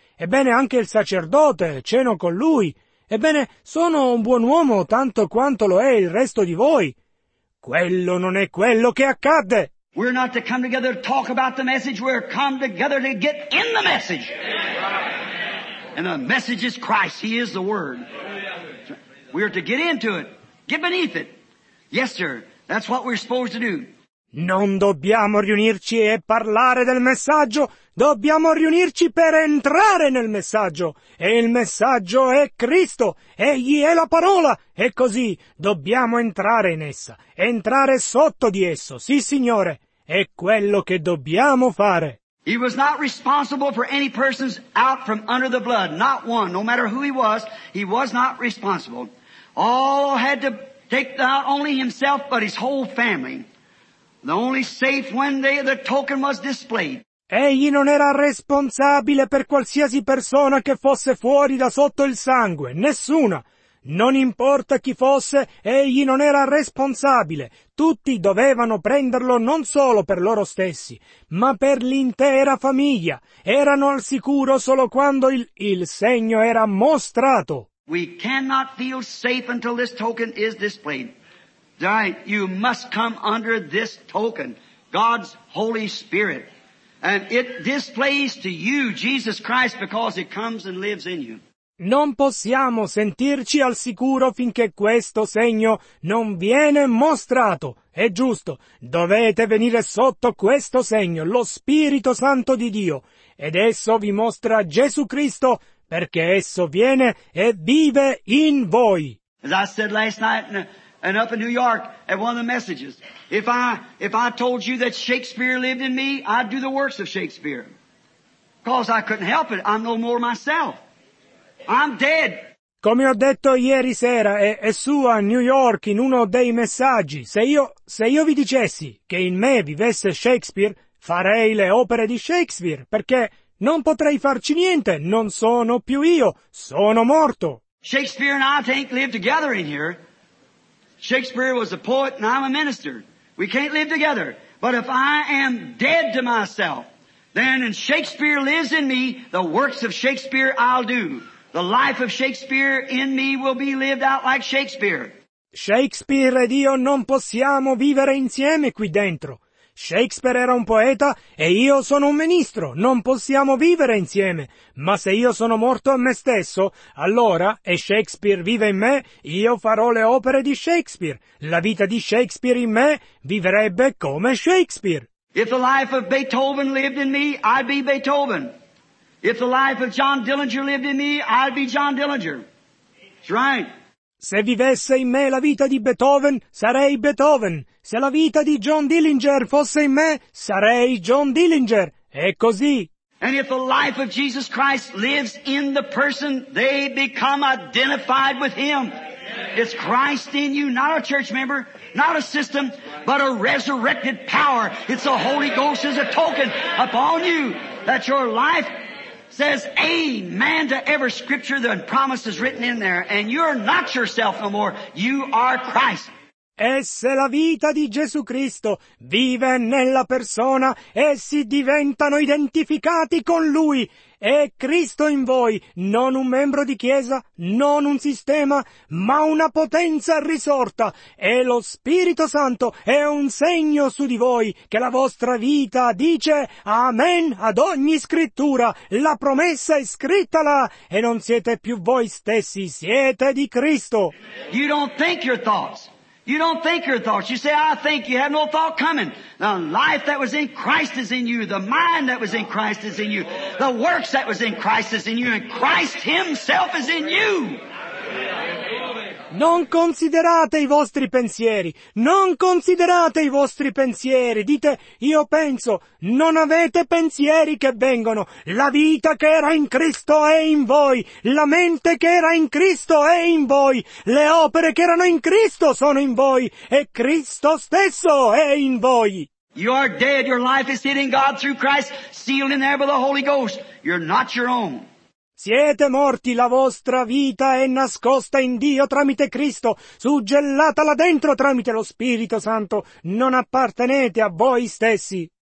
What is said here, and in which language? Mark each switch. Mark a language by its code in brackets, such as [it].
[it] Ebbene, anche il sacerdote, ceno con lui. Ebbene, sono un buon uomo tanto quanto lo è il resto di voi. Quello non è quello che accadde. [en] We're not to come together to talk about the message, we're come together to get in the message. And the message is Christ, He is the Word. We're to get into it, get beneath it. Yes, sir, that's what we're supposed to do. [it] Non dobbiamo riunirci e parlare del messaggio, dobbiamo riunirci per entrare nel messaggio. E il messaggio è Cristo, Egli è la parola, e così dobbiamo entrare in essa, entrare sotto di esso, sì signore, è quello che dobbiamo fare. [en] He was not responsible for any persons out from under the blood, not one, no matter who he was not responsible. All had to take not only himself, but his whole family. The only safe when the token was displayed. [it] Egli non era responsabile per qualsiasi persona che fosse fuori da sotto il sangue, nessuna. Non importa chi fosse, egli non era responsabile. Tutti dovevano prenderlo non solo per loro stessi, ma per l'intera famiglia. Erano al sicuro solo quando il segno era mostrato. [en] We cannot feel safe until this token is displayed. You must come under this token, God's Holy Spirit. And it displays to you Jesus Christ because it comes and lives in you. [it] Non possiamo sentirci al sicuro finché questo segno non viene mostrato. È giusto, dovete venire sotto questo segno, lo Spirito Santo di Dio. Ed esso vi mostra Gesù Cristo perché esso viene e vive in voi. [en] As I said last night, and up in New York, at one of the messages. If I told you that Shakespeare lived in me, I'd do the works of Shakespeare. Because I couldn't help it. I'm no more myself. I'm dead. [it] Come ho detto ieri sera, e su a New York, in uno dei messaggi, se io vi dicessi che in me vivesse Shakespeare, farei le opere di Shakespeare, perché non potrei farci niente, non sono più io, sono morto. [en] Shakespeare and I can't live together in here. Shakespeare was a poet and I'm a minister. We can't live together. But if I am dead to myself, then and Shakespeare lives in me, the works of Shakespeare I'll do. The life of Shakespeare in me will be lived out like Shakespeare. [it] Shakespeare ed io non possiamo vivere insieme qui dentro. Shakespeare era un poeta e io sono un ministro, non possiamo vivere insieme, ma se io sono morto a me stesso, allora, e Shakespeare vive in me, io farò le opere di Shakespeare. La vita di Shakespeare in me vivrebbe come Shakespeare. [en] If the life of Beethoven lived in me, I'd be Beethoven. If the life of John Dillinger lived in me, I'd be John Dillinger. That's right. [it] Se vivesse in me la vita di Beethoven, sarei Beethoven. Se la vita di John Dillinger fosse in me, sarei John Dillinger. È così. [en] And if the life of Jesus Christ lives in the person, they become identified with him. It's Christ in you, not a church member, not a system, but a resurrected power. It's the Holy Ghost as a token upon you that your life says amen to every scripture and promise is written in there, and you're not yourself no more, you are Christ. [it] E se la vita di Gesù Cristo vive nella persona, essi diventano identificati con Lui. È Cristo in voi, non un membro di chiesa, non un sistema, ma una potenza risorta. E lo Spirito Santo è un segno su di voi che la vostra vita dice amen ad ogni scrittura. La promessa è scritta là e non siete più voi stessi, siete di Cristo. [en] You don't think your thoughts. You don't think your thoughts. You say, I think. You have no thought coming. The life that was in Christ is in you. The mind that was in Christ is in you. The works that was in Christ is in you. And Christ himself is in you. [it] Non considerate i vostri pensieri. Non considerate i vostri pensieri. Dite, io penso. Non avete pensieri che vengono. La vita che era in Cristo è in voi. La mente che era in Cristo è in voi. Le opere che erano in Cristo sono in voi. E Cristo stesso è in voi. [en] You are dead. Your life is hidden in God through Christ, sealed in there by the Holy Ghost. You're not your own. [it] Siete morti, la vostra vita è nascosta in Dio tramite Cristo, suggellata là dentro tramite lo Spirito Santo. Non appartenete a voi stessi.